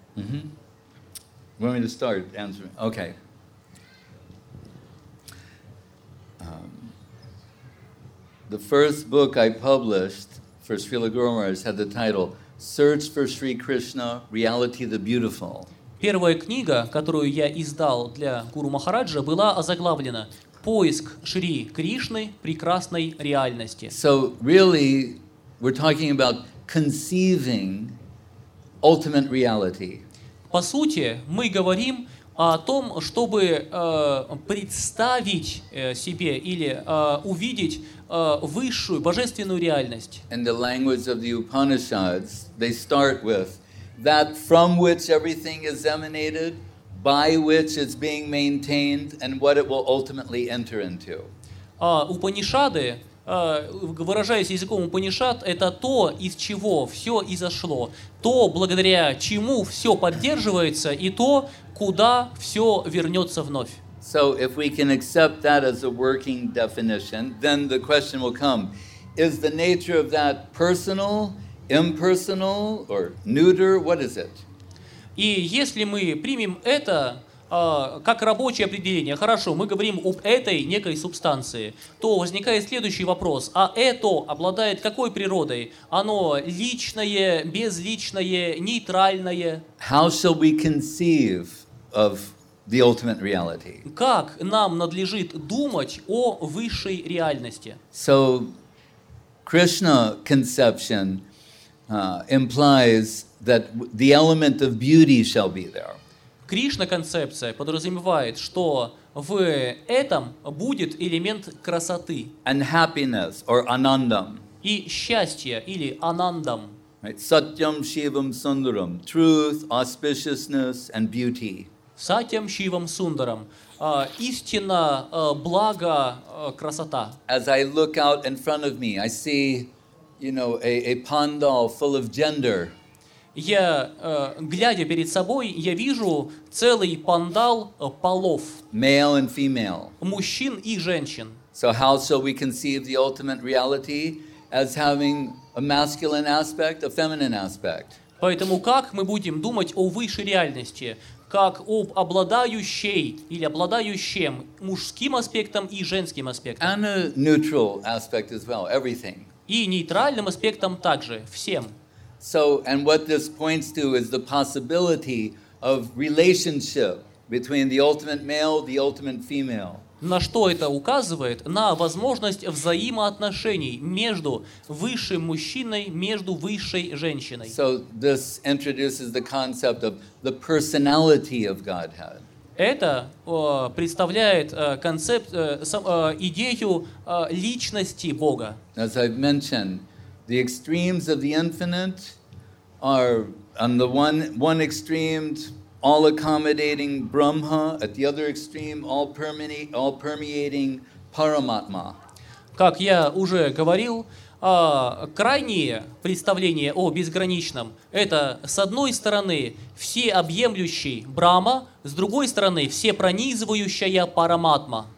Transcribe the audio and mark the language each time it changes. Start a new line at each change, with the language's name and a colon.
English: Mm-hmm. Want me to start answering? Okay. The first book I published for Srila Guru Maharaj had the title Search for Sri Krishna, Reality the Beautiful.
Russian: Первая книга, которую я издал для Гуру Махараджа, была озаглавлена поиск Шри Кришны, прекрасной реальности.
English: So really, we're talking about conceiving ultimate reality.
Russian: По сути, мы говорим о том, чтобы представить себе или увидеть высшую, божественную реальность.
English: In the language of the Upanishads, they start with that from which everything is emanated, by which it's being maintained, and what it will ultimately enter into.
Russian: Упанишады, выражаясь языком Упанишад, это то, из чего все изошло, то, благодаря чему все поддерживается, и то, куда все вернется вновь.
English: So if we can accept that as a working definition, then the question will come, is the nature of that personal, impersonal, or neuter, what is it?
Russian: И если мы примем это как рабочее определение, хорошо, мы говорим об этой некой субстанции, то возникает следующий вопрос. А это обладает какой природой? Оно личное, безличное, нейтральное?
English: How shall we conceive of the ultimate reality?
Russian: Как нам надлежит думать о высшей реальности?
English: So, Krishna conception implies that the element of beauty shall be there.
Russian: Кришна концепция подразумевает, что в этом будет элемент красоты.
English: And happiness or anandam.
Russian: И счастье или анандам.
Sanskrit: Satyam Shivam Sundaram,
English: truth, auspiciousness and beauty.
Sanskrit: Satyam Shivam Sundaram,
Russian: истина, благо, красота.
English: As I look out in front of me, I see, you know, a pandal full of gender.
Russian: Я, глядя перед собой, я вижу целый пандал полов.
English: Male and female.
Russian: Мужчин и женщин.
English: So how shall we conceive the ultimate reality as having a masculine aspect, a feminine aspect?
Russian: Поэтому как мы будем думать о высшей реальности, как об обладающей или обладающем мужским аспектом и женским аспектом?
English: And a neutral aspect as well, everything.
Russian: И нейтральным аспектом также, всем.
English: So, and what this points to is the possibility of relationship between the ultimate male, the ultimate female.
Russian: На что это указывает? На возможность взаимоотношений между высшим мужчиной, между высшей женщиной.
English: So, this introduces the concept of the personality of Godhead.
Russian: Это представляет концепт, идею личности Бога.
English: As I've mentioned, the extremes of the infinite are on the one extreme, all-accommodating Brahma, at the other extreme, all-permeating Paramatma.
Russian: Как я уже говорил, крайние представления о безграничном — это, с одной стороны, всеобъемлющий Брахма, с другой стороны, всепронизывающая Параматма.